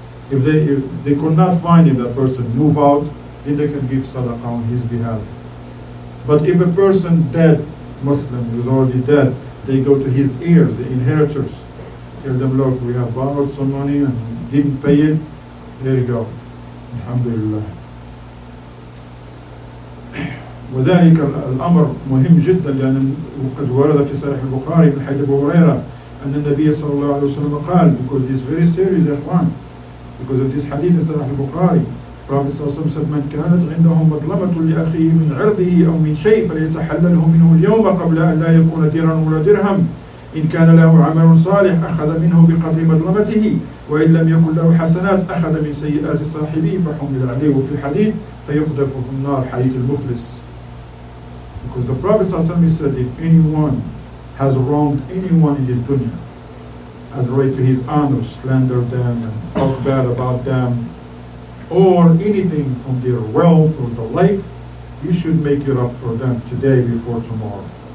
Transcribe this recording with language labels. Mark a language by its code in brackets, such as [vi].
[en] If they could not find him, that person move out, then they can give sadaqah on his behalf. But if a person dead, Muslim, who's already dead, they go to his heirs, the inheritors, tell them, look, we have borrowed some money and didn't pay it. There you go. Alhamdulillah. [ar] وذلك الأمر مهم جدا لأن قد ورد في صحيح البخاري من حديث أبو هريرة أن النبي صلى الله عليه وسلم قال [en] because this is very serious, إخوان, because of this hadith in صحيح البخاري. [ar] Prophet صلى الله عليه وسلم said, من كانت عنده مظلمة لأخيه من عرضه أو من شيء فليتحلله منه اليوم قبل أن لا يكون ديرا ولا درهم إن كان له عمل صالح أخذ منه بقدر مظلمته وإن لم يكن له حسنات أخذ من سيئات صاحبه فحمل عليه في الحديث فيقذف في النار حديث المفلس. [en] Because the Prophet صلى الله عليه وسلم said, if anyone has wronged anyone in this dunya as right to his honor, slander them and talk bad about them, or anything from their wealth or the like, you should make it up for them today before tomorrow.